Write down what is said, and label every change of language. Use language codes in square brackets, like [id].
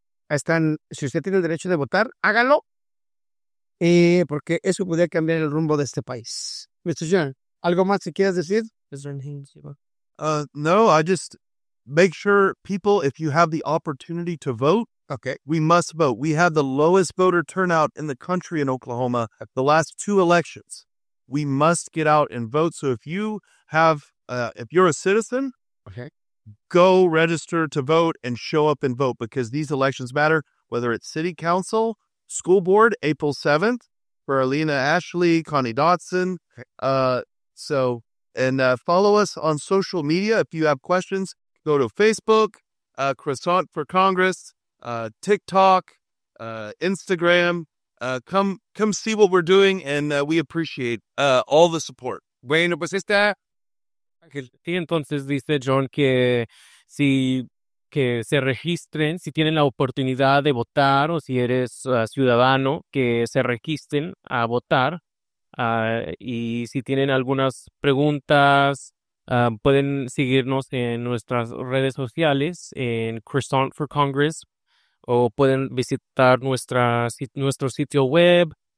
[es] Están, si usted tiene el derecho de votar, hágalo. Porque eso podría cambiar el rumbo de este país. Mr. John, ¿algo más que quieras decir? [en] Is there anything to say? No, I just make sure people, if you have the opportunity to vote, okay, we must vote. We have the lowest voter turnout in the country in Oklahoma the last two elections. We must get out and vote. So if you have, if you're a citizen, okay, go register to vote and show up and vote, because these elections matter, whether it's city council, school board, April 7th, for Alina Ashley, Connie Dotson. Okay. Follow us on social media. If you have questions, go to Facebook, Croissant for Congress, TikTok, Instagram. Come see what we're doing, and we appreciate all the support. [es] Bueno, pues está. Sí, entonces dice John que si que se registren, si tienen la oportunidad de votar, o si eres ciudadano, que se registren a votar. Y si tienen algunas preguntas, pueden seguirnos en nuestras redes sociales, en Croissant for Congress, o pueden visitar nuestro sitio web.